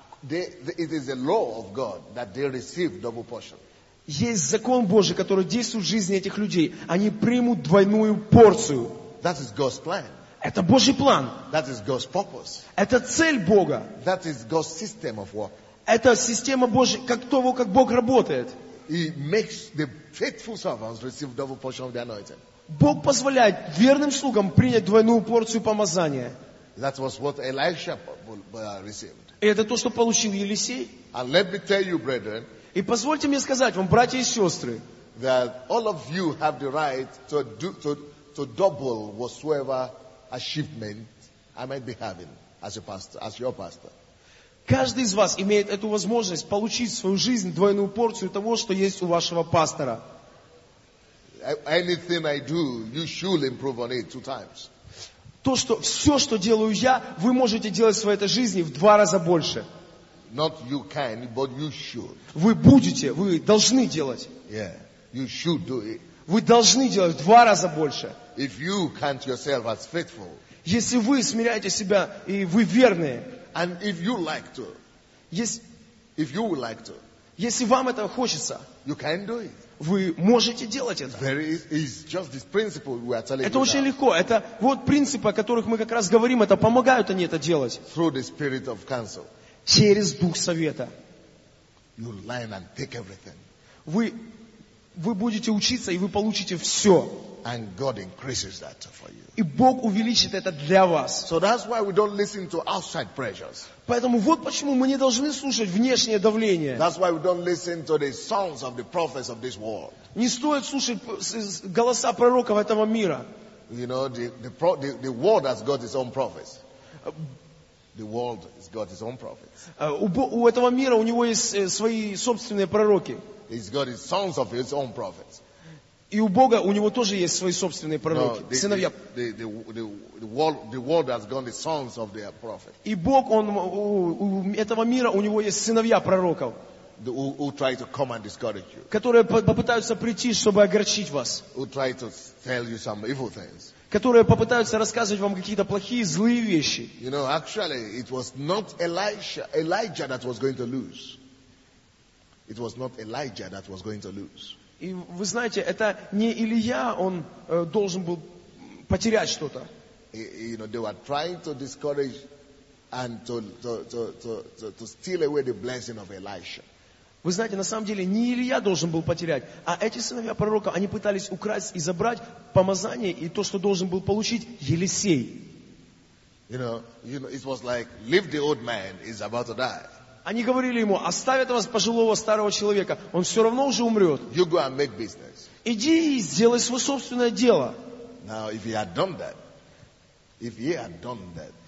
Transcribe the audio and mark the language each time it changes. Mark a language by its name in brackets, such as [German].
[English] It is the law of God that they receive double portion. [Russian] Есть закон Божий, который действует в жизни этих людей. Они примут двойную порцию. [English] That is God's plan. [Russian] Это Божий план. [English] That is God's purpose. [Russian] Это цель Бога. [English] That is God's system of work. [Russian] Это система Божья, как того, как Бог работает. [English] He makes the faithful servants receive double portion of the anointing. [Russian] Бог позволяет верным слугам принять двойную порцию помазания. [English] That was what Elisha received. [Russian] И это то, что получил Елисей. [English] And let me tell you, brethren. [Russian] И позвольте мне сказать вам, братья и сестры. [English] That all of you have the right to double whatsoever achievement I might be having as a pastor, as your pastor. [Russian] Каждый из вас имеет эту возможность получить в свою жизнь двойную порцию того, что есть у вашего пастора. [English] Anything I do, you should improve on it two times. [Russian] То, что все, что делаю я, вы можете делать в своей этой жизни в два раза больше. [English] Not you can, but you should. [Russian] Вы будете, вы должны делать. [English] Yeah, you should do it. [Russian] Вы должны делать в два раза больше. [English] If you count yourself as faithful, [Russian] если вы смиряете себя и вы верные, [English] and if you like to, if you would like to, [Russian] если вам это хочется, [English] you can do it. [Russian] Вы можете делать это. [English] There is just this principle we are telling [Russian] это [English] you [Russian] очень [English] now. [Russian] Легко. Это вот принципы, о которых мы как раз говорим. Это помогают они это делать. [English] Through the spirit of counsel. [Russian] Через дух совета. [English] You learn and take everything. [Russian] Вы будете учиться, и вы получите все. [English] And God increases that for you. [Russian] И Бог увеличит это для вас. [English] So that's why we don't listen to outside pressures. [Russian] Поэтому вот почему мы не должны слушать внешнее давление. [English] That's why we don't listen to the songs of the prophets of this world. [Russian] Не стоит слушать голоса пророков этого мира. [English] You know, the world has got its own prophets. The world has got its own prophets. [Russian] У этого мира у него есть свои собственные пророки. [English] He's got his sons of his own prophets. [Russian] И у Бога, у него тоже есть свои собственные пророки, сыновья. [English] The world has gone the sons of their prophets. [Russian] И Бог, он у этого мира, у него есть сыновья пророков. [English] who try to come and discourage you, [Russian] которые попытаются прийти, чтобы огорчить вас, [English] who try to tell you some evil things, [Russian] которые попытаются рассказывать вам какие-то плохие, злые вещи. [English] You know, actually, it was not Elijah that was going to lose. It was not Elijah that was going to lose. [Russian] И вы знаете, это не Илия, он должен был потерять что-то. [English] You know, they were trying to discourage and to steal away the blessing of Elisha. [Russian] Вы знаете, на самом деле не Илия должен был потерять, а эти сыновья пророка, они пытались украсть и забрать помазание и то, что должен был получить Елисей. [English] You know, it was like, leave the old man, he's about to die. [Russian] Они говорили ему, оставь этого пожилого старого человека, он все равно уже умрет. [English] You go and make business. [Russian] Иди и сделай свое собственное дело. [English] Now, if he had done that, if he had done that,